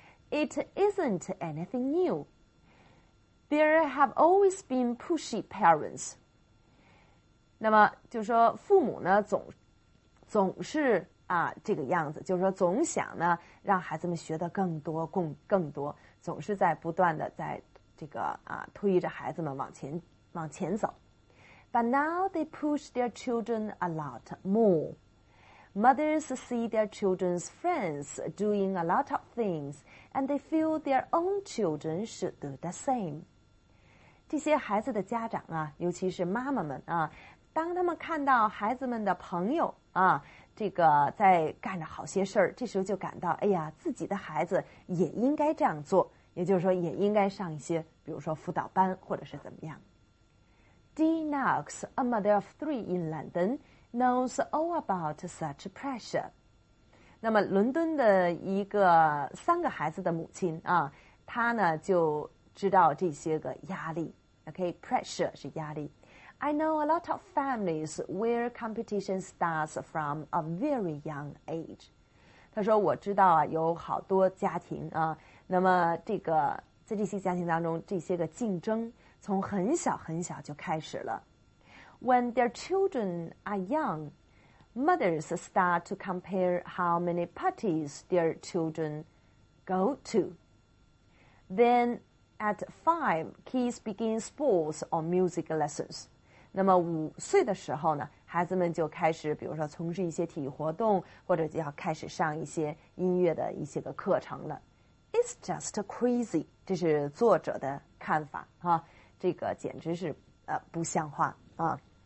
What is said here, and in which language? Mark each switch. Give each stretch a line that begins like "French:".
English: It isn't anything new. There have always been pushy parents.
Chinese: 那么就说父母呢总是啊这个样子，就是说总想呢让孩子们学得更多，总是在不断的在这个啊推着孩子们往前走。
English: But now they push their children a lot more. Mothers see their children's friends doing a lot of things. And they feel their own children should do the same.
Chinese: 这些孩子的家长啊，尤其是妈妈们啊，当他们看到孩子们的朋友啊，这个在干着好些事儿，这时候就感到，哎呀，自己的孩子也应该这样做，也就是说也应该上一些比如说辅导班或者是怎么样。
English: Dee Knox, a mother of three in London, knows all about such pressure.
Chinese: 那么伦敦的一个三个孩子的母亲啊，她呢就知道这些个压力。 OK, pressure 是压力。
English: I know a lot of families where competition starts from a very young age.
Chinese: 他说我知道啊，有好多家庭啊，那么这个在这些家庭当中，这些个竞争从很小很小就开始了。
English: When their children are young, mothers start to compare how many parties their children go to. Then at five, kids begin sports or music lessons.
Chinese: 那么五岁的时候呢，孩子们就开始比如说从事一些体育活动，或者就要开始上一些音乐的一些个课程了。
English: It's just crazy.
Chinese: 这是作者的看法啊，这个简直是不像话啊。